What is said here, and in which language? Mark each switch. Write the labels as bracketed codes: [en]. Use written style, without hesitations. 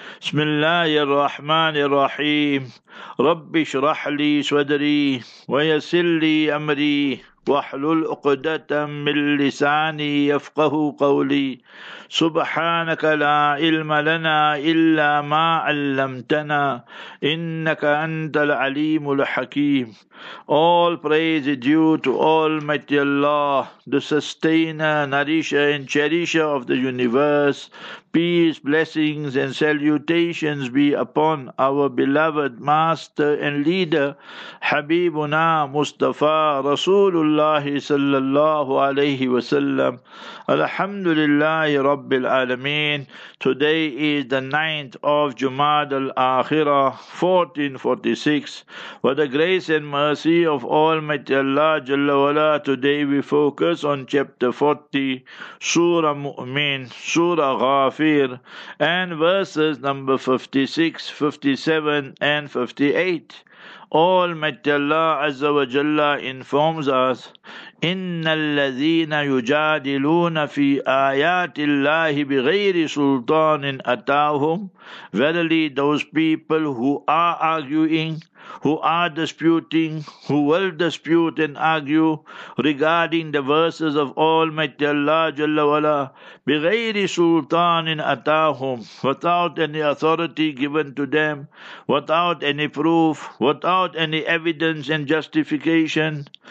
[ar] بسم الله الرحمن الرحيم. رب اشرح لي صدري ويسر لي أمري واحلل عقدة من لساني يفقه قولي. سبحانك لا علم لنا إلا ما علمتنا إنك أنت العليم الحكيم. [en] All praise is due to Almighty Allah, the sustainer, nourisher and cherisher of the universe. Peace, blessings and salutations be upon our beloved master and leader, Habibuna Mustafa Rasulullah sallallahu alayhi wa sallam. Alhamdulillah Rabbil Alameen. Today is the 9th of Jumad al-Akhirah, 1446. With the grace and mercy of Almighty Allah Jalla Wala, today we focus on chapter 40, Surah Mu'min, Surah Ghafir, and verses number 56, 57 and 58. Almighty Allah Azza wa Jalla informs us, [ar] إِنَّ الَّذِينَ يُجَادِلُونَ فِي آيَاتِ اللَّهِ بِغَيْرِ سُلْطَانٍ أَتَاهُمْ. [en] Verily, those people who are arguing, who are disputing, who will dispute and argue regarding the verses of Almighty Allah Jalla Wala, [ar] بِغَيْرِ سُلْطَانٍ أَتَاهُمْ, [en] without any authority given to them, without any proof, without any evidence and justification.